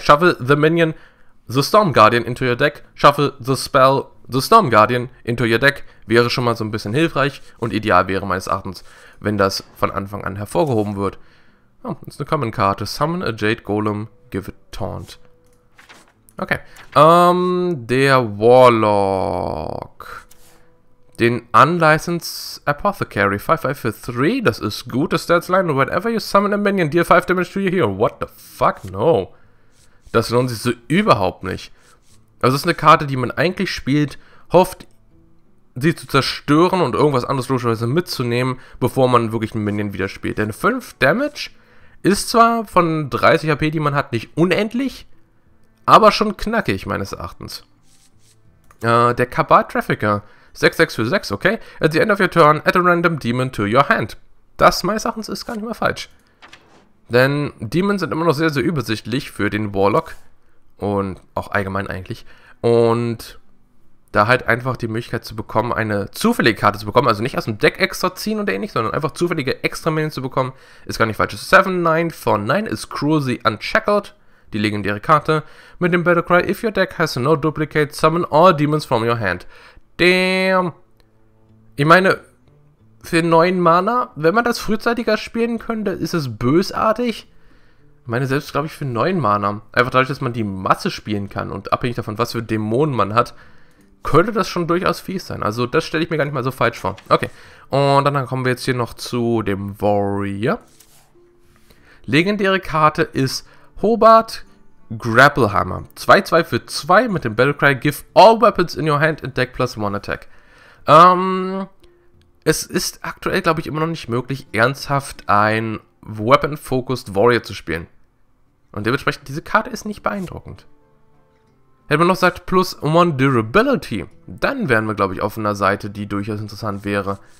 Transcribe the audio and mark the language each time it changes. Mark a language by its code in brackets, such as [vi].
[en] Shuffle the Minion The Storm Guardian into your deck. Shuffle the Spell The Storm Guardian into your deck. [de] Wäre schon mal so ein bisschen hilfreich und ideal wäre meines Erachtens, wenn das von Anfang an hervorgehoben wird. Oh, das ist eine Common-Karte. [en] Summon a Jade Golem, give it Taunt. Okay. [de] Der Warlock. Den Unlicensed Apothecary. 5-5-3, das ist gut. [en] Das Statsline, whenever you summon a minion, deal 5 damage to your hero. What the fuck? No. [de] Das lohnt sich so überhaupt nicht. Also das ist eine Karte, die man eigentlich spielt, hofft, sie zu zerstören und irgendwas anderes logischerweise mitzunehmen, bevor man wirklich einen Minion wieder spielt. Denn 5 Damage ist zwar von 30 HP, die man hat, nicht unendlich, aber schon knackig, meines Erachtens. Der Kabal Trafficker. 6-6-4-6, okay. [en] At the end of your turn, add a random demon to your hand. [de] Das, meines Erachtens, ist gar nicht mehr falsch. Denn Demons sind immer noch sehr, sehr übersichtlich für den Warlock. Und auch allgemein eigentlich. Und da halt einfach die Möglichkeit zu bekommen, eine zufällige Karte zu bekommen, also nicht aus dem Deck extra ziehen und ähnlich, sondern einfach zufällige Extra-Minions zu bekommen, ist gar nicht falsch. [en] 7-9-4-9 ist Cruelty Unshackled, [de] die legendäre Karte, mit dem Battlecry, [en] if your deck has no duplicate, summon all demons from your hand. Damn. [de] Ich meine, für 9 Mana, wenn man das frühzeitiger spielen könnte, ist es bösartig. Ich meine, selbst glaube ich für 9 Mana, einfach dadurch, dass man die Masse spielen kann und abhängig davon, was für Dämonen man hat, könnte das schon durchaus fies sein. Also das stelle ich mir gar nicht mal so falsch vor. Okay. Und dann kommen wir jetzt hier noch zu dem Warrior. Legendäre Karte ist Hobart Grapplehammer. 2-2-2 mit dem Battlecry. [en] Give all weapons in your hand and deck +1 attack. [de] Es ist aktuell, glaube ich, immer noch nicht möglich, ernsthaft ein Weapon-Focused Warrior zu spielen. Und dementsprechend, diese Karte ist nicht beeindruckend. Hätte man noch gesagt, +1 Durability, dann wären wir, glaube ich, auf einer Seite, die durchaus interessant wäre.